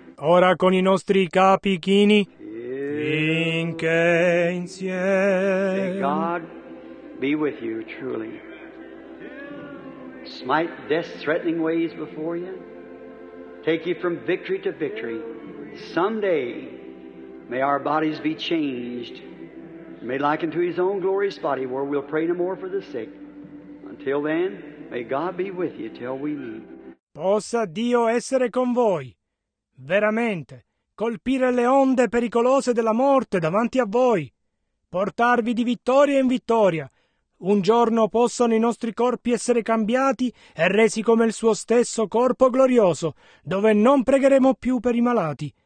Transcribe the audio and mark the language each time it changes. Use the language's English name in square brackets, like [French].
[Italian] Ora con i nostri capi chini. Finché insieme. [English] May God be with you truly. Smite death-threatening ways before you. Take you from victory to victory. Someday may our bodies be changed. Made like unto His own glorious body, where we'll pray no more for the sick. Until then, may God be with you till we meet. [Italian] Possa Dio essere con voi. Veramente, colpire le onde pericolose della morte davanti a voi. Portarvi di vittoria in vittoria. Un giorno possono i nostri corpi essere cambiati e resi come il suo stesso corpo glorioso, dove non pregheremo più per i malati.